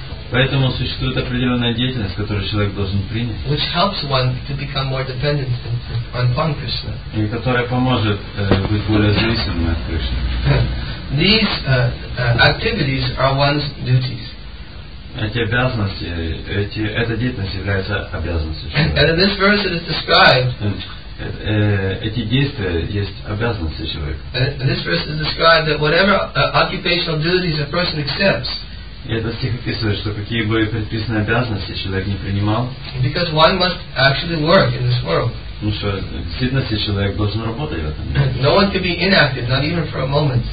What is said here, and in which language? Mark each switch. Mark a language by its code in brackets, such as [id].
[ru] Поэтому существует определенная деятельность, которую человек должен принять. [en] Which helps one to become more dependent on Krishna. [ru] И которая поможет быть более зависимым от Кришны. [en] These activities are one's duties. [ru] Эти обязанности, эта деятельность является обязанностью. [en] And in this verse it is described. [ru] Эти действия есть обязанности человека. [en] And this verse is described that whatever occupational duties a person accepts. [ru] И этот стих описывает, что какие бы предписанные обязанности человек не принимал. [en] Because one must actually work in this world. [ru] Ну что, действительно, если человек должен работать в этом. [en] No one can be inactive, not even for a moment.